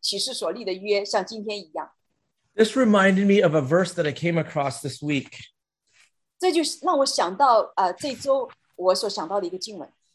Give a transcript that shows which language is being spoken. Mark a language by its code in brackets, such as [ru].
[zh] 他要坚定他向你们列祖启示所立的约，像今天一样。 [en] This reminded me of a verse that I came across this week. [zh] 这就让我想到, 这周我所想到的一个经文。